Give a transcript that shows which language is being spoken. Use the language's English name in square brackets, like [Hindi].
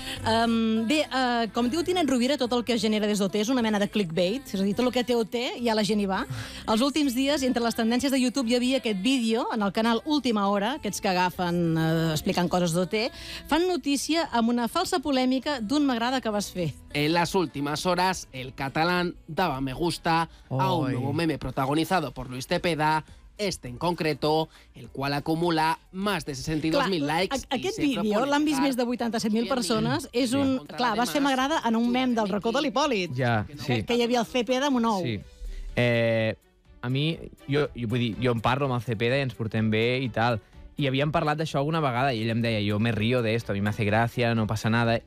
[Catalan] Com diu Tinent Rovira, tot el que es genera des d'OT és una mena de clickbait, és a dir, tot el que té OT, ja la gent hi va. Els últims dies, entre les tendències de YouTube, hi havia aquest vídeo en el canal Última Hora, aquests que agafen explicant coses d'OT, fan notícia amb una falsa polèmica d'un m'agrada que vas fer. [Spanish] En las últimas horas, el catalán daba me gusta a un nuevo meme protagonizado por Luis Tepeda, este en concreto, el cual acumula más de 62.000 likes. [Catalan] Aquest vídeo l'han vist més de 87.000 persones. És un... Clar, va ser m'agrada en un mem del racó de l'Hipòlit. Ja, sí. Que hi havia el Cepeda amb un ou. Sí. A mi, jo vull dir, jo en parlo amb el Cepeda i ens portem bé i tal. I havíem parlat d'això alguna vegada i ell em deia, [Spanish] jo me río de esto, a mi me hace gracia, no passa nada.